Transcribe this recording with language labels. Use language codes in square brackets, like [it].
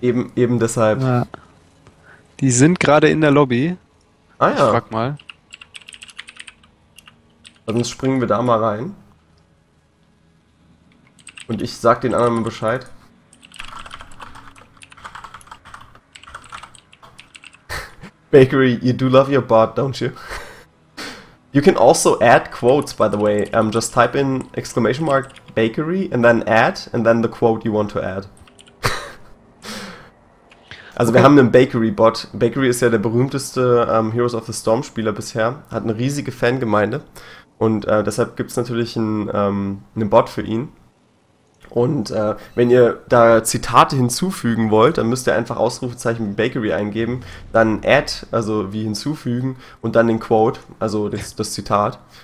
[de] Eben deshalb. Ja. Die sind gerade in der Lobby. Ah Ich ja. frag mal. Dann springen wir da mal rein. Und ich sag den anderen mal Bescheid. [en] Bakery, you do love your bot, don't you? You can also add quotes, by the way. Just type in exclamation mark bakery and then add and then the quote you want to add. [de] Also wir Okay. haben einen Bakery-Bot. Bakery ist ja der berühmteste Heroes of the Storm-Spieler bisher, hat eine riesige Fangemeinde und deshalb gibt es natürlich einen Bot für ihn. Und wenn ihr da Zitate hinzufügen wollt, dann müsst ihr einfach Ausrufezeichen Bakery eingeben, dann add, also wie hinzufügen, und dann den Quote, also das Zitat.